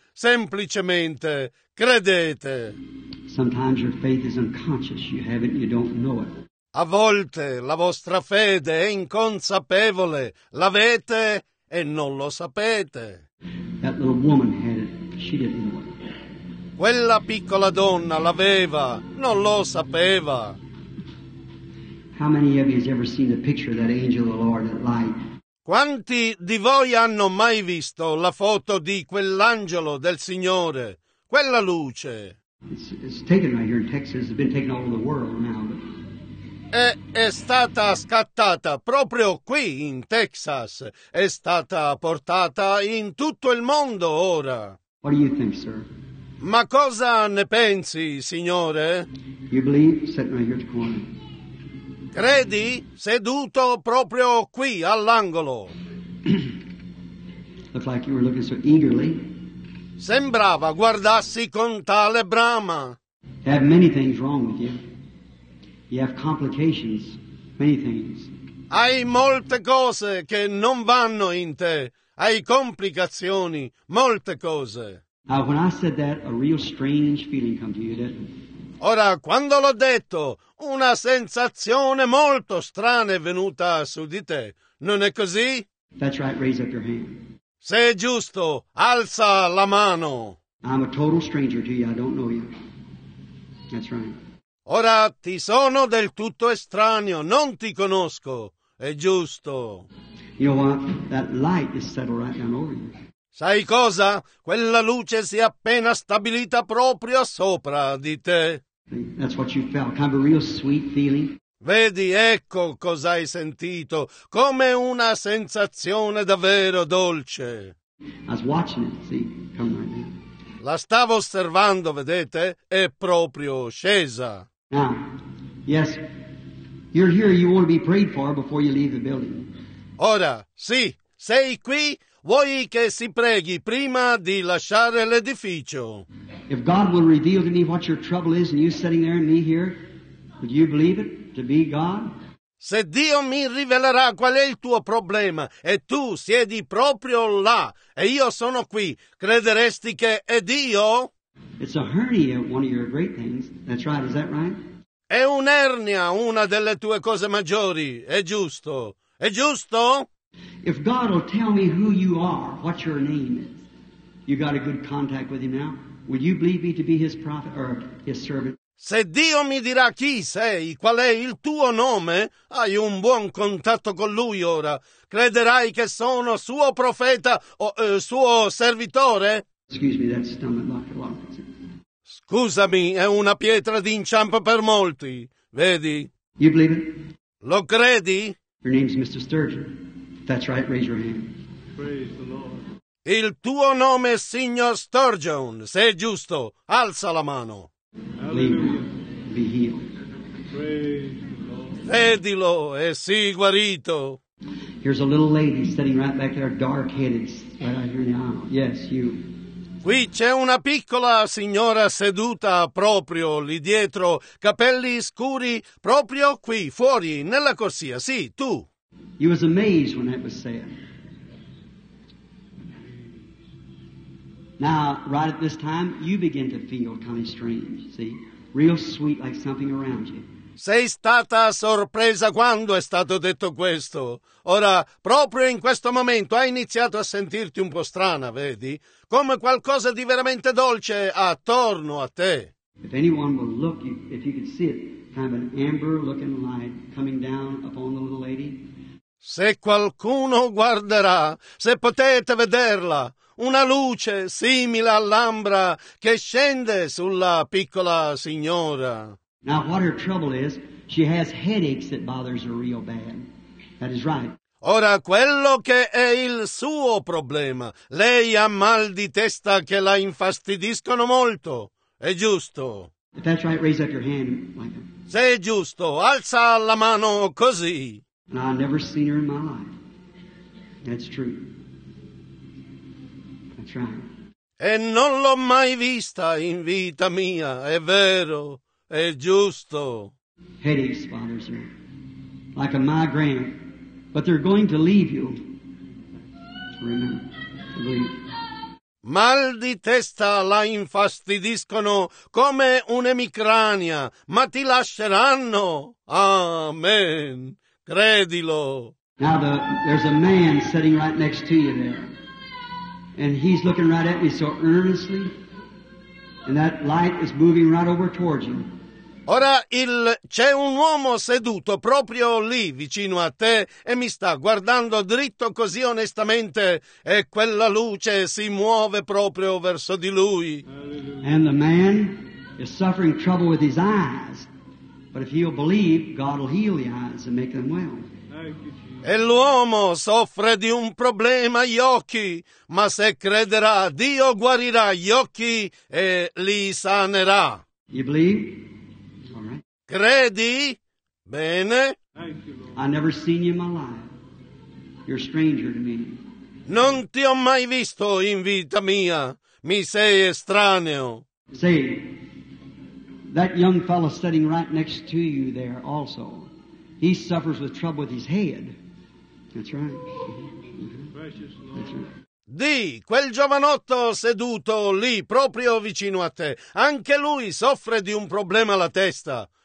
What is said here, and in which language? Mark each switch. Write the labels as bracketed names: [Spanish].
[Italian] Semplicemente credete. [English] Sometimes your faith is unconscious. You have it, you don't know it. [Italian] A volte la vostra fede è inconsapevole. L'avete e non lo sapete. [English] That little woman had it. She didn't know it. [Italian] Quella piccola donna l'aveva, non lo sapeva. [English] How many of you have ever seen the picture of that angel of the Lord at light? [Italian] Quanti di voi hanno mai visto la foto di quell'angelo del Signore, quella luce? [English] It's taken right here in Texas. It's been taken all over the world now. But... [Italian] È stata scattata proprio qui in Texas. È stata portata in tutto il mondo ora. [English] What do you think, sir? [Italian] Ma cosa ne pensi, Signore? [English] You believe, sitting right here at the corner. [Italian] Credi seduto proprio qui all'angolo? [English] Looked like you were looking so eagerly. [Italian] Sembrava guardassi con tale brama. [English] You have many things wrong with you. You have complications, many things. [Italian] Hai molte cose che non vanno in te. Hai complicazioni, molte cose. [English] When I said that, a real strange feeling came to you, didn't it? [Italian] Ora, quando l'ho detto, una sensazione molto strana è venuta su di te. Non è così? [English] That's right, raise up your hand. [Italian] Se è giusto, alza la mano. [English] I'm a total stranger to you, I don't know you. That's right. [Italian] Ora, ti sono del tutto estraneo, non ti conosco. È giusto. [English] You know what? That light is settled right down over you. [Italian] Sai cosa? Quella luce si è appena stabilita proprio sopra di te. [English] That's what you felt, kind of a real sweet feeling. [Italian] Vedi, ecco cosa hai sentito, come una sensazione davvero dolce. [English] I was watching it, see, come right now. [Italian] La stavo osservando, vedete, è proprio scesa. [English] Now, yes, you're here, you want to be prayed for before you leave the building. [Italian] Ora, sì, sei qui. Vuoi che si preghi prima di lasciare l'edificio? [English] If God will reveal to me what your trouble is and you sitting there and me here, would you believe it to be God? [Italian] Se Dio mi rivelerà qual è il tuo problema e tu siedi proprio là e io sono qui, crederesti che è Dio? [English] It's a hernia, one of your great things. That's right, is that right? [Italian] È un'ernia, una delle tue cose maggiori. È giusto. È giusto? [English] If God will tell me who you are, what your name is, you got a good contact with him now, would you believe me to be his prophet or his servant? [Italian] Se Dio mi dirà chi sei, qual è il tuo nome, hai un buon contatto con lui ora. Crederai che sono suo profeta o suo servitore? [English] Excuse me, that's stomach locked a lot. [Italian] Scusami, è una pietra d'inciampo per molti, vedi? [English] You believe it? [Italian] Lo credi? [English] Her name's Mr. Sturgeon. That's right, raise your hand. Praise the Lord. [Italian] Il tuo nome, signor Sturgeon, se è giusto, alza la mano. [English] Hallelujah. Be healed. Praise the Lord. [Italian] Vedilo e si guarito. [English] Here's a little lady sitting right back there, dark-headed, right out here in the aisle. Yes, you. [Italian] Qui c'è una piccola signora seduta proprio lì dietro, capelli scuri, proprio qui, fuori, nella corsia. Sì, tu. [English] You was amazed when that was said. Now, right at this time, you begin to feel kind of strange, see? Real sweet, like something around you. [Italian] Sei stata sorpresa quando è stato detto questo. Ora, proprio in questo momento, hai iniziato a sentirti un po' strana, vedi? Come qualcosa di veramente dolce attorno a te. [English] If anyone will look, if you could see it, kind of an amber-looking light coming down upon the little lady. [Italian] Se qualcuno guarderà, se potete vederla, una luce simile all'ambra che scende sulla piccola signora. [English] Now what her trouble is, she has headaches that bothers her real bad. That is right. [Italian] Ora quello che è il suo problema, lei ha mal di testa che la infastidiscono molto. È giusto. [English] If that's right, raise up your hand. Like a... [Italian] Se è giusto, alza la mano così. [English] And I've never seen her in my life. That's true. That's right. [Italian] E non l'ho mai vista in vita mia, è vero. È giusto. [English] Headaches bothers her, like a migraine, but they're going to leave you. Remember, leave. [Italian] Mal di testa la infastidiscono come un'emicrania, ma ti lasceranno. Amen. Credilo. [English] Now there's a man sitting right next to you there, and he's looking right at me so earnestly, and that light is moving right over towards you. [Italian] Ora c'è un uomo seduto proprio lì vicino a te e mi sta guardando dritto così onestamente e quella luce si muove proprio verso di lui. [English] And the man is suffering trouble with his eyes, but if he'll believe, God will heal the eyes and make them well. [Italian] E l'uomo soffre di un problema agli occhi, ma se crederà, Dio guarirà gli occhi e li sanerà. [English] You believe? [Italian] Credi? Bene. [English] I've never seen you in my life. You're a stranger to me. [Italian] Non ti ho mai visto in vita mia. Mi sei estraneo. [English] See, that young fellow sitting right next to you there also, he suffers with trouble with his head. That's right. Precious Lord. That's right. [Italian] Di, quel giovanotto seduto lì, proprio vicino a te, anche lui soffre di un problema alla testa.